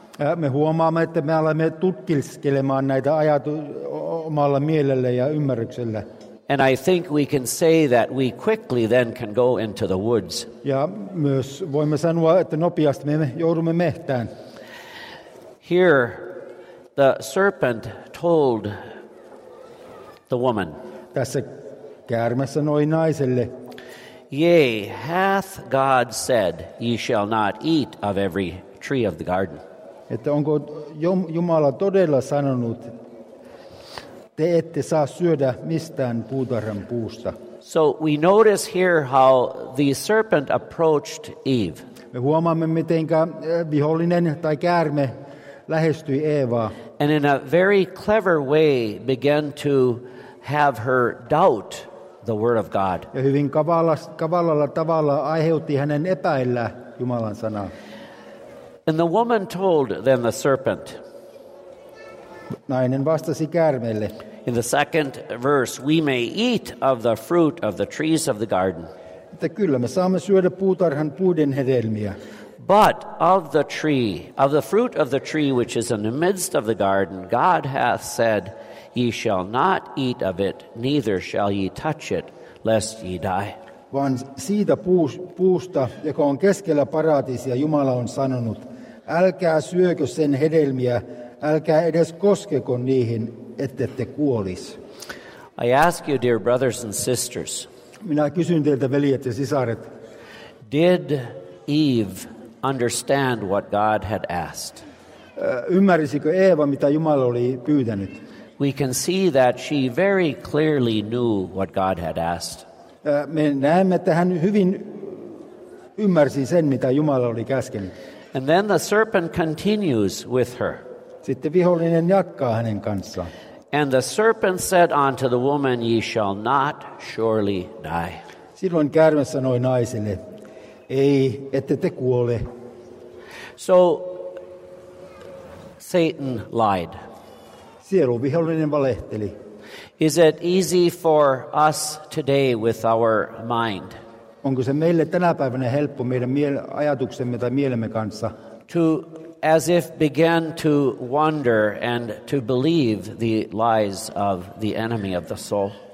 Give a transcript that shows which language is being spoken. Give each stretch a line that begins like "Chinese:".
Finnish: Ja me huomaamme, että me alamme tutkiskelemaan näitä omalla mielellä ja ymmärryksellä.
English: And I think we can say that we quickly then can go into the woods.
Finnish: Ja myös voimme sanoa, että nopeasti me joudumme mehtään.
English: Here, the serpent told the woman.
Finnish: Tässä käärme sanoi naiselle.
English: Yea, hath God said, ye shall not eat of every tree of the garden.
Finnish: Että onko Jumala todella sanonut, te ette saa syödä mistään puutarhan puusta.
English: So we notice here how the serpent approached Eve.
Finnish: Me huomaamme, mitenkä vihollinen tai käärme lähestyi Eevaa.
English: And in a very clever way began to have her doubt the word of God.
Finnish: Ja hyvin kavalalla tavalla aiheutti hänen epäillä Jumalan sanaa.
English: And the woman told then the serpent.
Finnish: Nainen vastasi käärmeelle.
English: In the second verse, we may eat of the fruit of the trees of the garden.
Finnish: Että kyllä me saamme syödä puutarhan puiden hedelmiä.
English: But of the tree, of the fruit of the tree which is in the midst of the garden, God hath said, ye shall not eat of it, neither shall ye touch it, lest ye die.
Finnish: Vaan siitä puusta, joka on keskellä paratiisia, Jumala on sanonut, älkää syökö sen hedelmiä, älkää edes koskeko niihin, ettette kuolis.
English: I ask you, dear brothers and sisters.
Finnish: Minä kysyn teiltä, veljet ja sisaret.
English: Did Eve understand what God had asked?
Finnish: Ymmärsikö Eeva, mitä Jumala oli pyytänyt?
English: We can see that she very clearly knew what God had asked.
Finnish: Me näemme, että hän hyvin ymmärsi sen, mitä Jumala oli käskenyt.
English: And then the serpent continues with her.
Finnish: Sitten vihollinen jatkaa hänen kanssaan.
English: And the serpent said unto the woman, ye shall not surely die.
Finnish: Silloin käärme sanoi naiselle, ei, ette te kuole.
English: So, Satan lied.
Finnish: Sielun vihollinen valehteli.
English: Is it easy for us today with our mind?
Finnish: Onko se meille tänä päivänä helppo meidän ajatuksemme tai mielemme kanssa?
English: To as if begin to wonder and to believe the lies of the enemy of the soul.